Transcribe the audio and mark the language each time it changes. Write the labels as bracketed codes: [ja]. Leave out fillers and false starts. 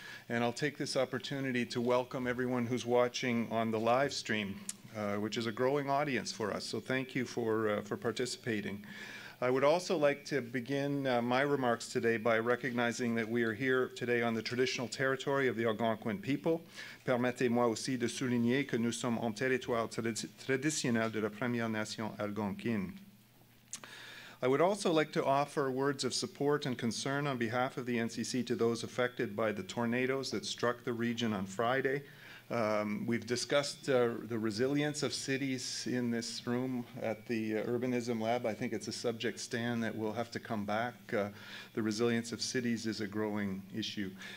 [en] And I'll take this opportunity to welcome everyone who's watching on the live stream, which is a growing audience for us. So thank you for participating. I would also like to begin my remarks today by recognizing that we are here today on the traditional territory of the Algonquin people. [fr] Permettez-moi aussi de souligner que nous sommes en territoire traditionnel de la Première Nation Algonquine. [en] I would also like to offer words of support and concern on behalf of the NCC to those affected by the tornadoes that struck the region on Friday. We've discussed the resilience of cities in this room at the Urbanism Lab. I think it's a subject, Stan, that will have to come back. The resilience of cities is a growing issue.